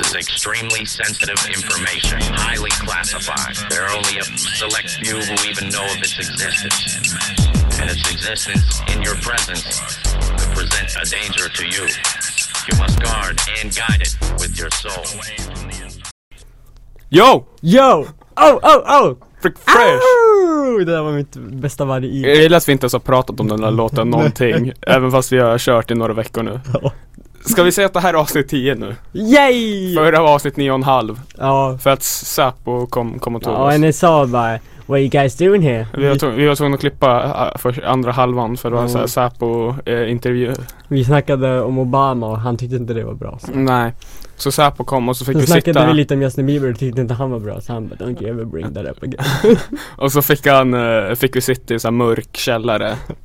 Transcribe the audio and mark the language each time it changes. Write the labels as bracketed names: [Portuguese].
[English] This is extremely sensitive information, highly classified. There are only a select few who even know of its existence. And its existence in your presence could present a danger to you. You must guard and guide it with your soul. Yo! Yo! Oh, oh, oh! Frick fresh! [Swedish] Oh, det där var mitt bästa varje i. Jag gillar att vi inte ens har pratat om den här låten någonting. Även fast vi har kört i några veckor nu. Ska vi säga att det här är avsnitt 10 nu? Yay! Förra var avsnitt 9,5. Ja. För att Säpo kom och tog oss. Ja, och ni sa bara, [English] what are you guys doing here? [Swedish] Vi var tvungna att klippa för andra halvan. För det var en Säpo-intervju. Vi snackade om Obama och han tyckte inte det var bra. Så. Nej. Så Säpo kom och så fick så vi sitta. Så snackade vi lite om Justin Bieber och tyckte inte han var bra. Så han bara, [English] don't you ever bring that up again. [Swedish] Och så fick vi sitta i så här mörk källare.